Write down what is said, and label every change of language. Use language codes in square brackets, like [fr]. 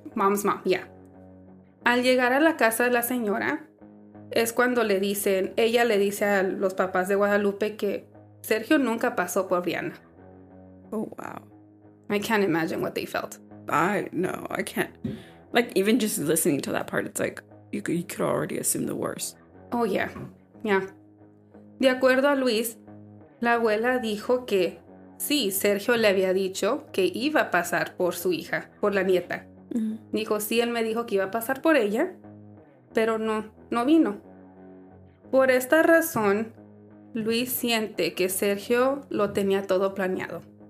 [en] Mom's mom, yeah. [es] Al llegar a la casa de la señora, es cuando le dicen, ella le dice a los papás de Guadalupe que Sergio nunca pasó por Brianna. [en] Oh, wow. I can't imagine what they felt. I can't. Like, even just listening to that part, it's like, you could already assume the worst. Oh, yeah. Yeah. [es] De acuerdo a Luis, la abuela dijo que sí, Sergio le había dicho que iba a pasar por su hija, por la nieta. Mm-hmm. Dijo, sí, él me dijo que iba a pasar por ella, pero no vino. Por esta razón, Luis siente que Sergio lo tenía todo planeado.